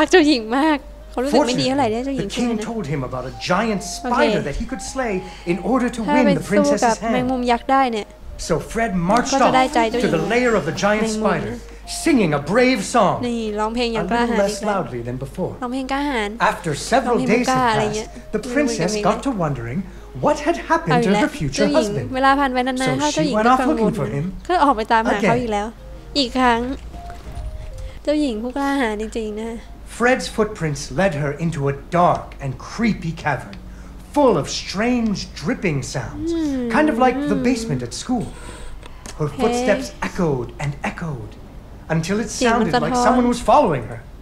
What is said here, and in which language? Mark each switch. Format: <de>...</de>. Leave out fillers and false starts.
<th>กเจ้าหญิงมากเขารู้สึกไม่ดีเท่าไหร่เนี่ยเจ้าหญิง</th> <en>คือ The king told him about a giant spider that he could slay in order to win the princess's hand.</en> <th>แมงมุมยักษ์ได้เนี่ย</th> <en>So Fred marched off to the lair of the giant spider, singing a brave song.</en> <th>นี่ร้องเพลงอย่างกล้าหาญ</th> <en>A little less loudly than before.</en> <th>ร้องเพลงกล้าหาญ</th> <en>After several days had passed, the princess got to wondering what had happened to her future husband.</en> <th>เวลาผ่านไปนานๆเขาเจ้าหญิงก็กังวลก็ออกไปตามหาเขาอีกแล้วอีกครั้งเจ้าหญิงผู้กล้าหาญจริงๆนะ</th> <en>Fred's footprints led her into a dark and creepy cavern, full of strange dripping sounds, kind of like the basement at school. Her footsteps echoed and echoed, until it sounded like someone was following her.</en>